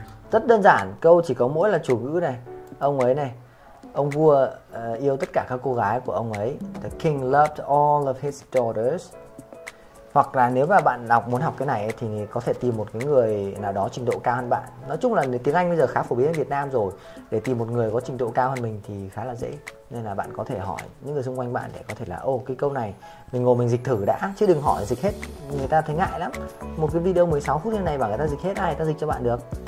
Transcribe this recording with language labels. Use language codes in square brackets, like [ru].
[vi] Rất đơn giản, câu chỉ có mỗi là chủ ngữ này. Ông ấy này, ông vua yêu tất cả các cô gái của ông ấy. [en] The king loved all of his daughters. [vi] Hoặc là nếu mà bạn đọc muốn học cái này thì có thể tìm một cái người nào đó trình độ cao hơn bạn. Nói chung là tiếng Anh bây giờ khá phổ biến ở Việt Nam rồi. Để tìm một người có trình độ cao hơn mình thì khá là dễ. Nên là bạn có thể hỏi những người xung quanh bạn để có thể là cái câu này mình ngồi mình dịch thử đã. Chứ đừng hỏi dịch hết, người ta thấy ngại lắm. Một cái video 16 phút như này bảo người ta dịch hết, ai ta dịch cho bạn được.